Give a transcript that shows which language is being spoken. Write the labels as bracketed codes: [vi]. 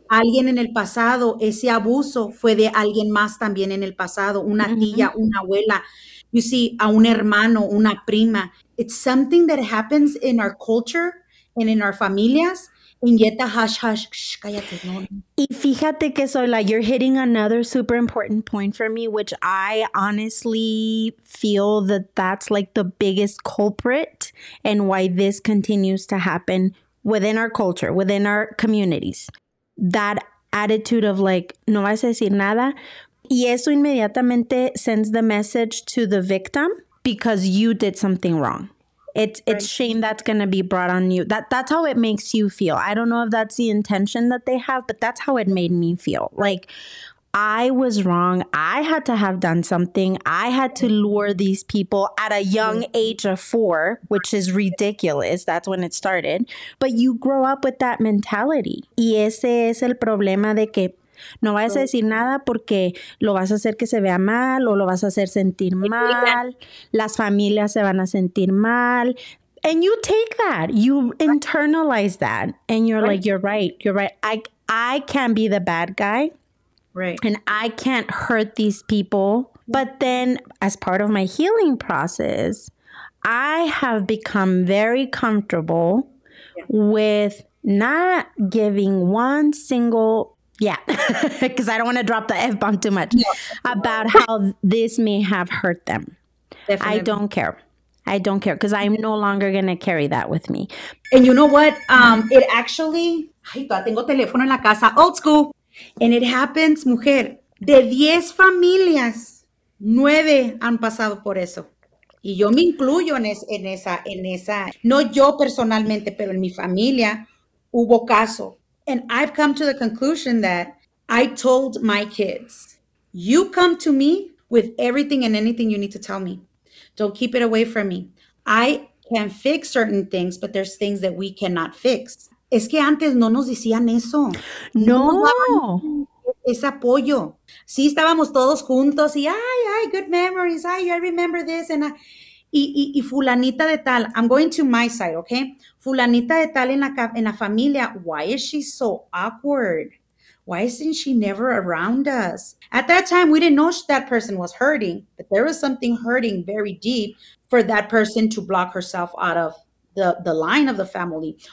[es] Alguien en el pasado, ese abuso fue de alguien más también en el pasado. Una tía, una abuela. You see, a un hermano, una prima. [en] It's something that happens in our culture and in our familias. And yet the hush, hush, shh, cállate. No. Y fíjate que soy like, you're hitting another super important point for me, which I honestly feel that that's like the biggest culprit and why this continues to happen within our culture, within our communities. That attitude of like, no vas a decir nada. Y eso inmediatamente sends the message to the victim because you did something wrong. It's right. Shame that's going to be brought on you. That's how it makes you feel. I don't know if that's the intention that they have, but that's how it made me feel. Like, I was wrong. I had to have done something. I had to lure these people at a young age of 4, which is ridiculous. That's when it started. But you grow up with that mentality. [es] Y ese es el problema de que no vayas a decir nada porque lo vas a hacer que se vea mal o lo vas a hacer sentir mal. Las familias se van a sentir mal. And you take that. [en] You internalize that. And you're like, you're right. You're right. I can't be the bad guy. Right. And I can't hurt these people. But then as part of my healing process, I have become very comfortable with not giving one single, because I don't want to drop the F-bomb too much, about how this may have hurt them. Definitely. I don't care. I don't care because I'm no longer going to carry that with me. And you know what? It actually, ay, tengo teléfono en la casa, old school. [es] And it happens, mujer, de 10 familias, 9 han pasado por eso. Y yo me incluyo en esa, no yo personalmente, pero en mi familia hubo caso. [en] And I've come to the conclusion that I told my kids, you come to me with everything and anything you need to tell me. Don't keep it away from me. I can fix certain things, but there's things that we cannot fix. [es] Es que antes no nos decían eso. No. Es apoyo. Sí, estábamos todos juntos y, ay, ay, good memories. [en] Ay, I remember this. And y fulanita de tal, I'm going to my side, okay? Fulanita de tal en la familia, why is she so awkward? Why isn't she never around us? At that time, we didn't know that person was hurting, but there was something hurting very deep for that person to block herself out of the line of the family.